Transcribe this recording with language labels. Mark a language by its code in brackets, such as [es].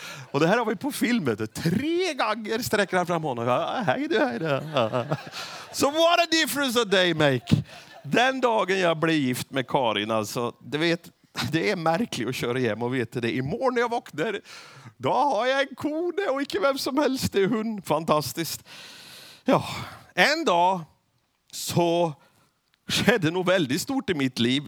[sv] Och det här har vi på filmet. 3 gånger sträcker han fram honom. "Hej du, hej du." [en] So what a difference a day make. [sv] Den dagen jag blev gift med Karin, alltså, du vet, det är märkligt att köra hem och veta det. Imorgon när jag vaknar, då har jag en kone och inte vem som helst, det är hon. Fantastiskt. Ja, en dag så skedde något väldigt stort i mitt liv.